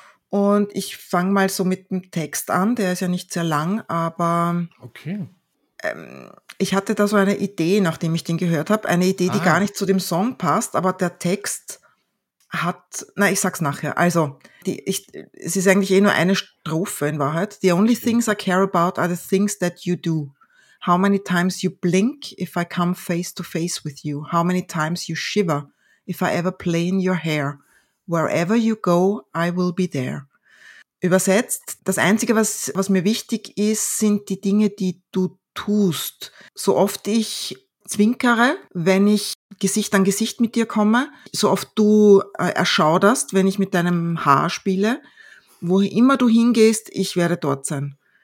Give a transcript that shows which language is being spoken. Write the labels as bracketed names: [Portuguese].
[German] Und ich fange mal so mit dem Text an. Der ist ja nicht sehr lang, aber... Okay. Ich hatte da so eine Idee, nachdem ich den gehört habe. Eine Idee, die gar nicht zu dem Song passt, aber der Text hat... Na, ich sag's nachher. Also, es ist eigentlich eh nur eine Strophe in Wahrheit. [English] The only things I care about are the things that you do. How many times you blink if I come face to face with you? How many times you shiver if I ever play in your hair? Wherever you go, I will be there. [German] Übersetzt, das Einzige, was mir wichtig ist, sind die Dinge, die du tust. So oft ich zwinkere, wenn ich Gesicht an Gesicht mit dir komme, so oft du erschauderst, wenn ich mit deinem Haar spiele, wo immer du hingehst, ich werde dort sein.